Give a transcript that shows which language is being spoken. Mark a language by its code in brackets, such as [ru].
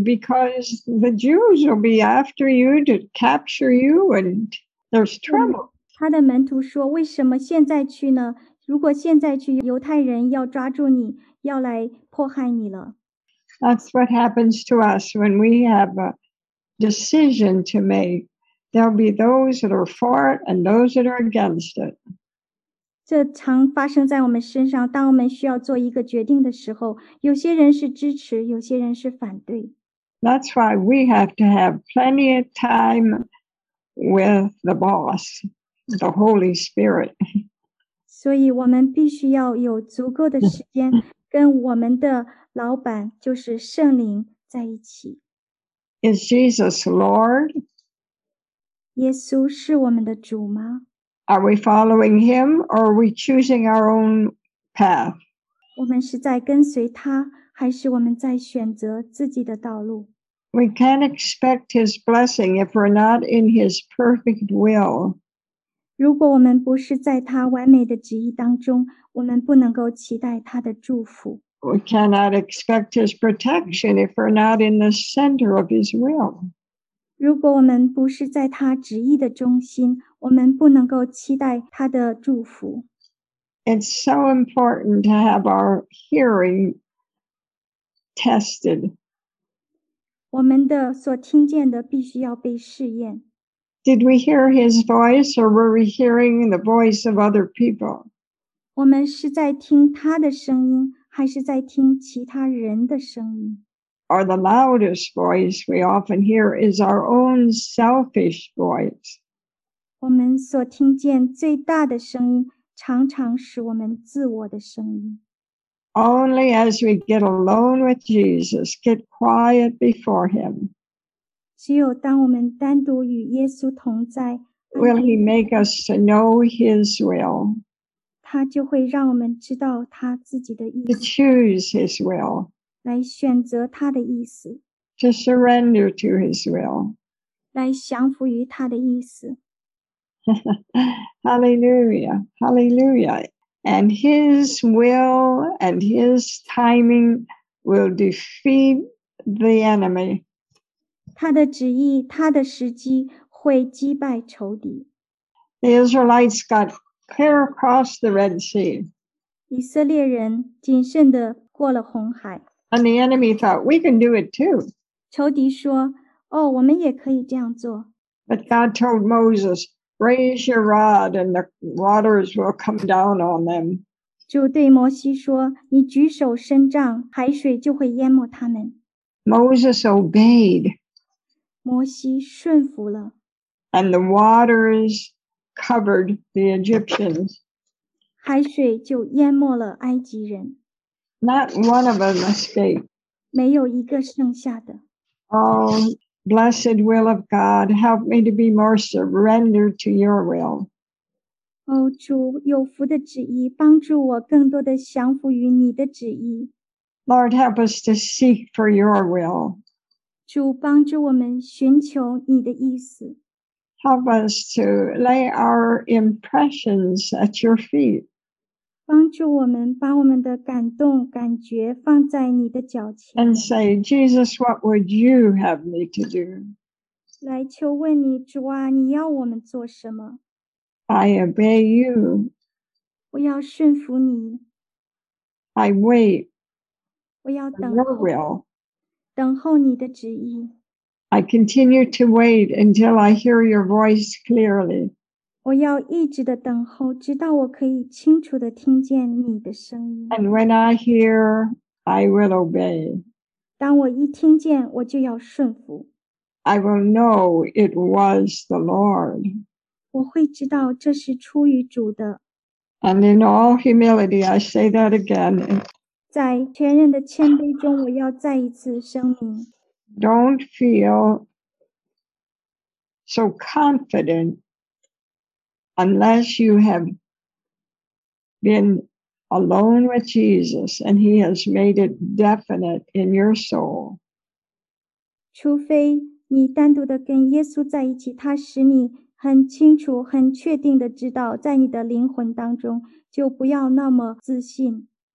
[en] Because the Jews will be after you to capture you and there's trouble. [zh] 他的门徒说，为什么现在去呢？如果现在去，犹太人要抓住你，要来迫害你了。 [en] That's what happens to us when we have a decision to make. There'll be those that are for it and those that are against it. [zh] 这常发生在我们身上，当我们需要做一个决定的时候，有些人是支持，有些人是反对。 [en] That's why we have to have plenty of time with the boss. The Holy Spirit. [zh] 所以我们必须要有足够的时间跟我们的老板，就是圣灵在一起。 [en] Is Jesus Lord? [zh] 耶稣是我们的主吗？ [en] Are we following him or are we choosing our own path? [zh] 我们是在跟随他，还是我们在选择自己的道路？ [en] We can't expect his blessing if we're not in his perfect will. [zh] 如果我们不是在他完美的旨意当中，我们不能够期待他的祝福。 [en] We cannot expect his protection if we're not in the center of his will. [zh] 如果我们不是在他旨意的中心，我们不能够期待他的祝福。 [en] It's so important to have our hearing tested. [zh] 我们的所听见的必须要被试验。 [en] Did we hear his voice or were we hearing the voice of other people? [zh] 我们是在听他的声音还是在听其他人的声音？ [en] Or the loudest voice we often hear is our own selfish voice. [zh] 我们所听见最大的声音常常是我们自我的声音。 [en] Only as we get alone with Jesus, get quiet before him. [zh] 只有当我们单独与耶稣同在， [en] Will he make us to know his will? [zh] 他就会让我们知道他自己的意思。 [en] To choose his will. [zh] 来选择他的意思。 [en] To surrender to his will. [zh] 来降服于他的意思。 [en] Hallelujah, hallelujah. And his will and his timing will defeat the enemy. [zh] 他的旨意，他的时机会击败仇敌。 [en] The Israelites got clear across the Red Sea. [zh] 以色列人谨慎地过了红海。 [en] And the enemy thought, we can do it too. [zh] 仇敌说，哦，我们也可以这样做。 [en] But God told Moses, raise your rod and the waters will come down on them. [zh] 主对摩西说，你举手伸杖，海水就会淹没他们。 [en] Moses obeyed. [zh] 摩西顺服了。 [en] And the waters covered the Egyptians. [zh] 海水就淹没了埃及人。 [en] Not one of them escaped. [zh] 没有一个剩下的。 [en] Oh, blessed will of God, help me to be more surrendered to your will. [zh] 哦，主，有福的旨意，帮助我更多的降服于你的旨意。 [en] Lord, help us to seek for your will. [zh] 主帮助我们寻求你的意思。 [en] Help us to lay our impressions at your feet. [zh] 帮助我们把我们的感动感觉放在你的脚前。 [en] And say, Jesus, what would you have me to do? [zh] 来求问你，主啊，你要我们做什么？ [en] I obey you. [zh] 我要顺服你。 [en] I wait. [zh] 我要等候。 [en] Your will. [zh] 等候你的旨意。 [en] I continue to wait until I hear your voice clearly. [zh] 我要一直的等候，直到我可以清楚的听见你的声音。 [en] And when I hear, I will obey. [zh] 当我一听见，我就要顺服。 [en] I will know it was the Lord. [zh] 我会知道这是出于主的。 [en] And in all humility, I say that again. [zh] 在全人的谦卑中，我要再一次声明。 [en] Don't feel so confident unless you have been alone with Jesus and he has made it definite in your soul. [zh] 除非你单独的跟耶稣在一起，他使你很清楚，很确定的知道，在你的灵魂当中，就不要那么自信。